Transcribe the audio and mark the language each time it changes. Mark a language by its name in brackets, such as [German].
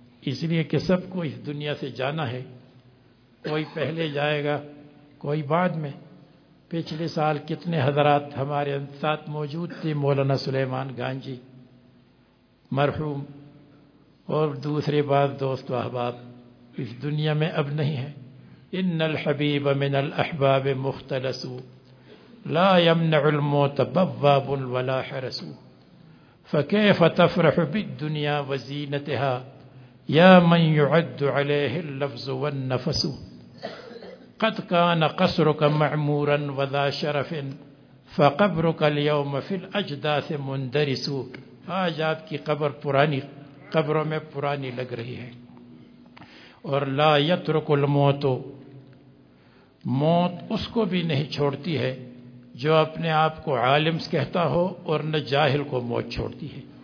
[Urdu] اس لیے کہ سب کو اس دنیا سے جانا ہے, کوئی پہلے جائے گا کوئی بعد میں. پچھلے سال کتنے حضرات ہمارے ساتھ موجود تھے, مولانا سلیمان گانجی مرحوم اور دوسرے بعض دوست و احباب اس دنیا میں اب نہیں ہیں. [Arabic] ان الحبیب من الاحباب مختلص لا يمنع الموت بواب ولا حرس فكيف تفرح بالدنيا وزينتها يا من يعد عليه اللفظ والنفس قد كان قصرك معمورا وذا شرف فقبرك اليوم في الاجداث مندرس. [Urdu] آج آپ کی قبر پرانی قبروں میں پرانی لگ رہی ہے. اور [Arabic] لا يترك الموت, [Urdu] موت اس کو بھی نہیں چھوڑتی ہے جو اپنے آپ کو عالم کہتا ہو, اور نہ جاہل کو موت چھوڑتی ہے.